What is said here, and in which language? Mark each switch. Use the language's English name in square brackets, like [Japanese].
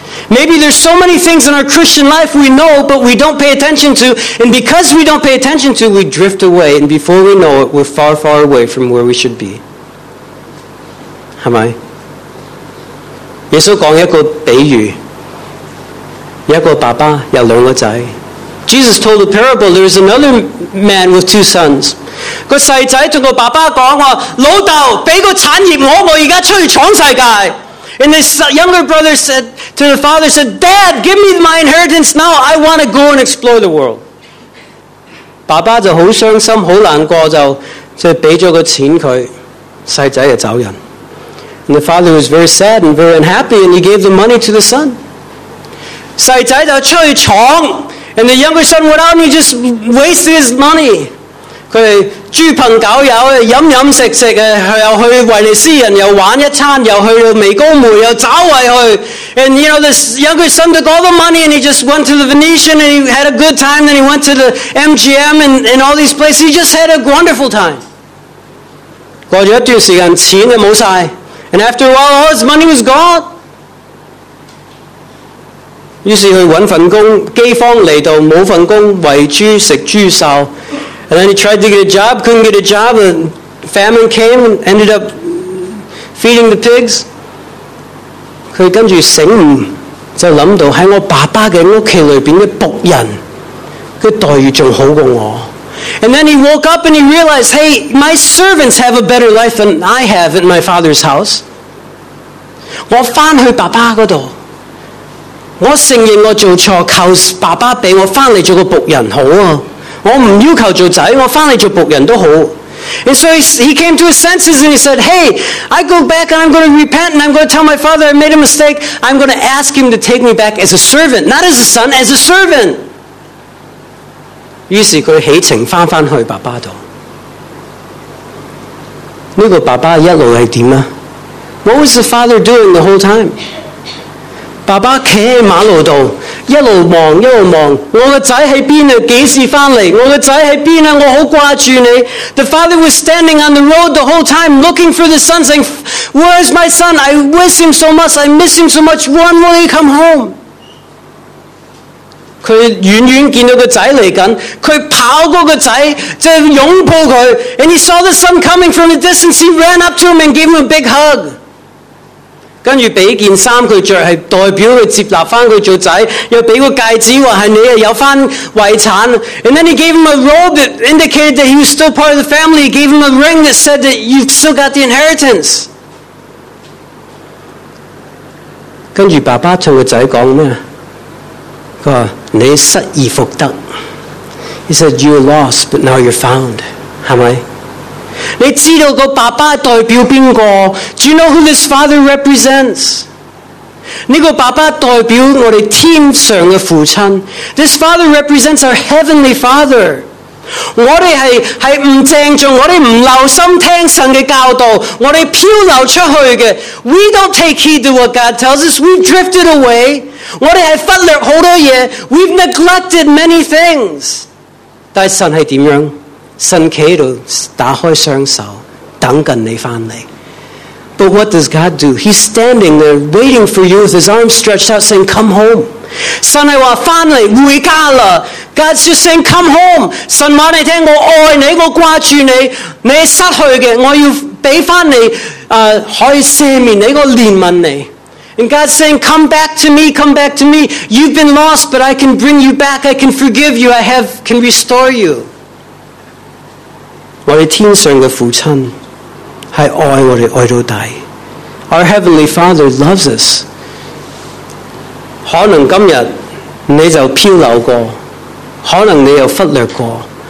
[English] Maybe there's so many things in our Christian life we know, but we don't pay attention to, and because we don't pay attention to, we drift away, and before we know it, we're far, far away from where we should be. [Cantonese] 系咪？耶稣讲一个比喻，一个爸爸有两个仔。 [English] Jesus told a parable. There is another man with two sons. [Cantonese] 个细仔同个爸爸讲话：老豆，俾个产业我，我而家出去闯世界。 [English] And his younger brother said to the father, said, Dad, give me my inheritance now. I want to go and explore the world. [Cantonese] 爸爸就好伤心，好难过，就俾咗个钱佢，细仔就走人。 [English] And the father was very sad and very unhappy, and he gave the money to the son. [Cantonese] 细仔就出去闯。 [English] And the younger son went out and he just wasted his money. [Cantonese] 他豬朋狗友，飲飲食食，又去威尼斯人，又玩一餐，又去到湄公湄，又找位去。 [English] And you know, the younger son took all the money and he just went to the Venetian and he had a good time. Then he went to the MGM and all these places. He just had a wonderful time. [Cantonese] 過了一段時間，錢就冇曬。 [English] And after a while, all his money was gone. [Cantonese] 於是去找份工，饑荒嚟到冇份工，喂豬食豬瘦。 [English] And then he tried to get a job, couldn't get a job. And famine came and ended up feeding the pigs. [Cantonese] 佢跟住醒悟，就諗到喺我爸爸嘅屋企裏邊嘅仆人，佢待遇仲好過我。 [English] And then he woke up and he realized, hey, my servants have a better life than I have at my father's house. [Cantonese] 我翻去爸爸嗰度。我承认我做错，求爸爸俾我翻嚟做个仆人好啊！我唔要求做仔，我翻嚟做仆人都好。 [English] And so he came to his senses and he said, "Hey, I go back and I'm going to repent and I'm going to tell my father I made a mistake. I'm going to ask him to take me back as a servant, not as a son, as a servant." [Cantonese] 于是佢起程翻去爸爸度。呢个爸爸一路系点啊 [English] ？What was the father doing the whole time? [Cantonese] 爸爸企喺马路度，一路望一路望。我个仔喺边啊？几时翻嚟？我个仔喺边啊？我好挂住你。 [English] The father was standing on the road the whole time, looking for the son, saying, "Where is my son? I miss him so much. I miss him so much. When will he come home?" [Cantonese] 佢远远见到个仔嚟紧，佢跑过个仔，就拥抱佢。 [English] And he saw the son coming from the distance. He ran up to him and gave him a big hug. [Cantonese] 跟住俾件衫佢着，系代表佢接纳翻佢做仔，又俾个戒指话系你啊有翻遗产。 [English] And then he gave him a robe that indicated that he was still part of the family. He gave him a ring that said that you've still got the inheritance. [Cantonese] 跟住爸爸同个仔讲咩？佢话你失而复得。 [English] He said you're lost, but now you're found. [Cantonese] 系咪？你知道个爸爸代表边个 ？ [English] Do you know who this father represents？ [Cantonese] 呢个爸爸代表我哋天上嘅父亲。 [English] This father represents our heavenly father。 [Cantonese] 我哋系唔正重，我哋唔留心听神嘅教导，我哋漂流出去嘅。 [English] We don't take heed to what God tells us. We've drifted away。 [Cantonese] 我哋系忽略好多嘢。 [English] We've neglected many things。 [Cantonese] 但神系点样？神企喺度打开双手，等紧你翻嚟。 [English] But what does God do? He's standing there waiting for you with his arms stretched out, saying, "Come home." [Cantonese] 神系话翻嚟回家啦。 [English] God's just saying, "Come home." [Cantonese] 神话你听，我爱你，我挂住你。你失去嘅，我要俾翻你，可以赦免你，我怜悯你。 [English] And God's saying, "Come back to me, come back to me. You've been lost, but I can bring you back. I can forgive you. I can restore you." [Cantonese] 我哋天上嘅父亲系爱我哋爱到底。 [English] Our heavenly Father loves us。 [Cantonese] 可能今日你就漂流过，可能你又忽略过。